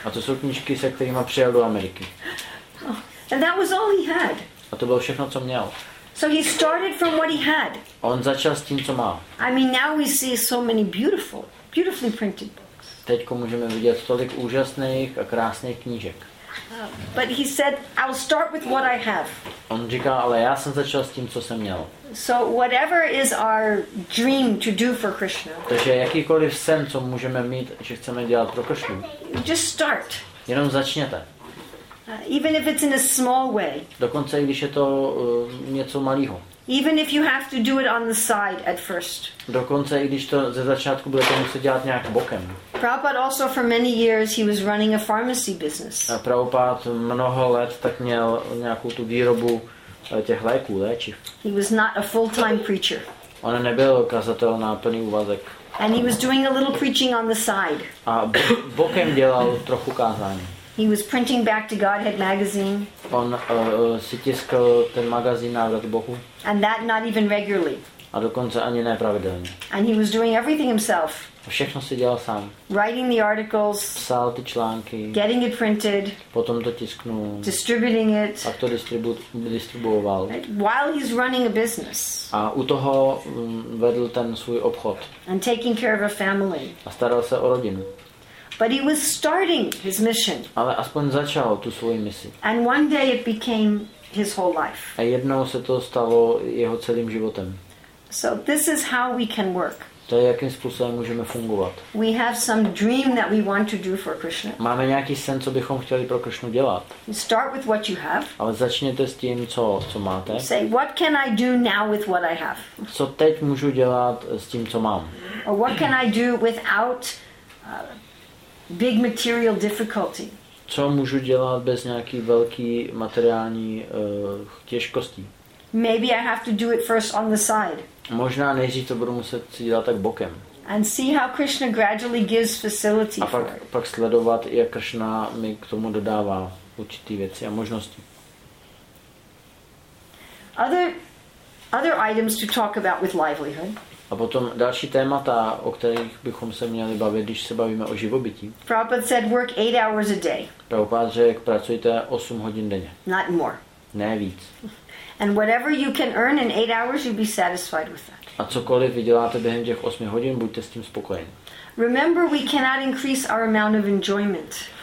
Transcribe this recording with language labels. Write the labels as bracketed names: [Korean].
[Czech] A to jsou knížky, se kterými přijel do Ameriky. [English] Oh, and that was all he had. [Czech] A to bylo všechno, co měl. [English] So he started from what he had. [Czech] On začal s tím, co má. [English] I mean, now we see so many beautifully printed books. [Czech] Teďko můžeme vidět tolik úžasných a krásných knížek. [English] But he said, I'll start with what I have. [Czech] On říká, ale já jsem začal s tím, co jsem měl. [English] So whatever is our dream to do for Krishna. [Czech] Takže jakýkoliv sen, co můžeme mít, že chceme dělat pro Krishnu. [English] Just start. [Czech] Jenom začněte. [English] Even if it's in a small way. [Czech] Dokonce i když je to něco malýho. [English] Even if you have to do it on the side at first. [Czech] Dokonce i když to ze začátku budete muset dělat nějak bokem. [English] Prabhupada also for many years he was running a pharmacy business. [Czech] A Prabhupada mnoho let tak měl nějakou tu výrobu těch léků, léčiv. [English] He was not a full-time preacher. [Czech] On nebyl kazatel na plný úvazek. [English] And he was doing a little preaching on the side. [Czech] A bokem dělal trochu kázání. [English] He was printing back to Godhead magazine. [Czech] On si tiskl ten magazín Návrat Bohu. [English] And that not even regularly. [Czech] A dokonce ani ne pravidelně. [English] And he was doing everything himself. [Czech] Všechno si dělal sám. [English] Writing the articles. [Czech] Psal ty články. [English] Getting it printed. [Czech] Potom to tisknul. [English] Distributing it. [Czech] Pak to distribuoval. [English] While he's running a business. [Czech] A u toho vedl ten svůj obchod. [English] And taking care of a family. [Czech] A staral se o rodinu. [English] But he was starting his mission. [Czech] Ale aspoň začal tu svoji misi. [English] And one day it became his whole life. [Czech] A jednou se to stalo jeho celým životem. [English] So this is how we can work. [Czech] To je, jakým způsobem můžeme fungovat. [English] We have some dream that we want to do for Krishna. [Czech] Máme nějaký sen, co bychom chtěli pro Krishnu dělat. [English] You start with what you have. [Czech] Ale začněte s tím, co máte. [English] Say, what can I do now with what I have? [Czech] Co teď můžu dělat s tím, co mám? [English] Or what can I do without big material difficulty. [Czech] Co můžu dělat bez nějaký velký materiální těžkostí? [English] Maybe I have to do it first on the side. [Czech] Možná nejdřív to budu muset si dělat tak bokem. [English] And see how Krishna gradually gives facility. [Czech] A pak sledovat, jak Krishna mi k tomu dodává určitý věci a možnosti. [English] Other items to talk about with livelihood. [Czech] A potom další témata, o kterých bychom se měli bavit, když se bavíme o živobytí. [English] Prabhupada said work 8 hours a day. [Czech] Prabhupada řekl, pracujte 8 hodin denně. [English] Not more. [Czech] Ne víc. [English] And whatever you can earn in 8 hours, you'd be satisfied with that. [Czech] A cokoliv vyděláte během těch 8 hodin, buďte s tím spokojeni. [English] Remember, we cannot increase our amount of enjoyment.